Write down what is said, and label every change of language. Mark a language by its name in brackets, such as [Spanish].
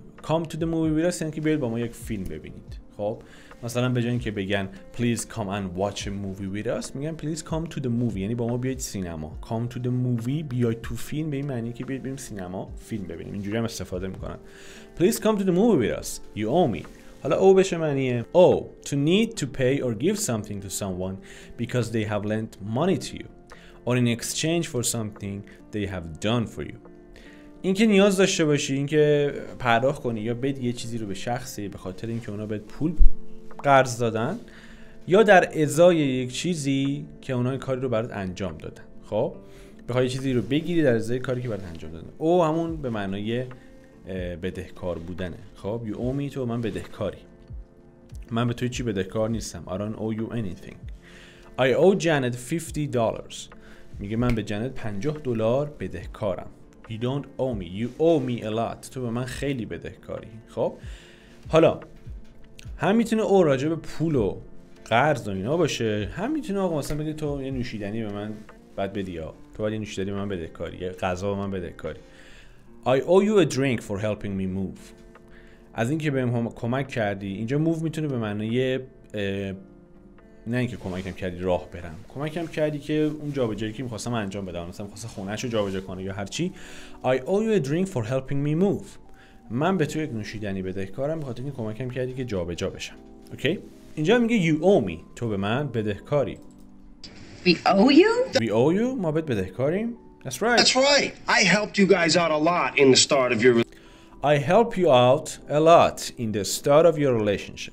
[English] Come to the movie with us [Persian] یعنی که بیاید با ما یک فیلم ببینید. خب مثلا به جای اینکه بگن [English] please come and watch a movie with us، [Persian] میگن [English] please come to the movie [Persian] یعنی با ما بیاید سینما. [English] come to the movie [Persian] بیاید تو فیلم به این معنی که بیاید بریم سینما فیلم ببینیم. اینجوری هم استفاده میکنن. [English] please come to the movie with us. you owe me. [Persian] حالا او بشه معنیه او [English] to need to pay or give something to someone because they have lent money to you or in exchange for something they have done for you. [Persian] اینکه نیاز داشته باشی، اینکه پرداخت کنی یا بدی یه چیزی رو به شخصی به خاطر اینکه اونا بهت پول قرض دادن یا در ازای یک چیزی که اونا کاری رو برات انجام دادن. خب بخوای چیزی رو بگیری در ازای کاری که برات انجام دادن. او همون به معنای بدهکار بودنه. خب [English] you owe me، [Persian] تو من بدهکاری، من به توی چی بدهکار نیستم. [English] I don't owe you anything. I owe Janet $50. [Persian] میگه من به جنت $50 بدهکارم. [English] You don't owe me. You owe me a lot. [Persian] تو به من خیلی بدهکاری. خب حالا هم میتونه او راجع به پول و قرض و اینا باشه، هم میتونه آقا مثلا بگه تو یه نوشیدنی به من بد بدی، یا تو باید یه نوشیدنی به من بده کاری، یه غذا به من بده کاری. [English] I owe you a drink for helping me move. [Persian] از اینکه بهم کمک کردی. اینجا move میتونه به معنی نه اینکه کمکم کردی راه برم، کمکم کردی که اون جابجایی که می‌خواستم انجام بدم، مثلا می‌خواستم خونه‌شو جابجا کنه یا هر چی. [English] I owe you a drink for helping me move. [Persian] من به تو یک نوشیدنی بدهکارم بخاطر اینکه کمکم کردی که جابجا بشم. اوکی اینجا میگه [English] you owe me، [Persian] تو به من بدهکاری. [English] We owe you [Persian] ما بهت بدهکاریم. [English] That's right. I helped you guys out a lot in the start of your I help you out a lot in the start of your relationship.